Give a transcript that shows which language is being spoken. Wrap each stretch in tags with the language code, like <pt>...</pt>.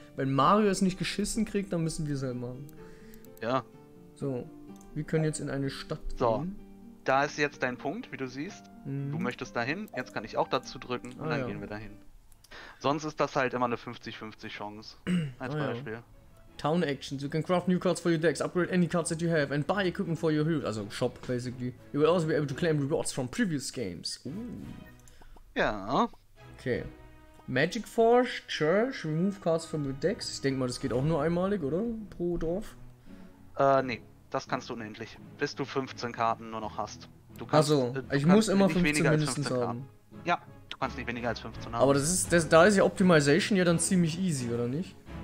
<de>Wenn Mario es nicht geschissen kriegt, dann müssen wir es halt machen. Ja. So, wir können jetzt in eine Stadt gehen. So, da ist jetzt dein Punkt, wie du siehst. Mhm. Du möchtest dahin, jetzt kann ich auch dazu drücken und dann gehen wir dahin. Sonst ist das halt immer eine 50-50 Chance, als Beispiel.</de> <en>Town Actions, you can craft new cards for your decks, upgrade any cards that you have and buy equipment for your hero. Also Shop, basically. You will also be able to claim rewards from previous games.</en> <de>Ja. Okay.</de> <en>Magic Forge, Church, Remove Cards from the Decks.</en> <de>Ich denke mal, das geht auch nur einmalig, oder? Pro Dorf? Nee. Das kannst du unendlich. Bis du 15 Karten nur noch hast. Achso, ich muss immer 15 mindestens 15 haben. Ja, du kannst nicht weniger als 15 haben. Aber da ist ja Optimization ja dann ziemlich easy, oder nicht?</de>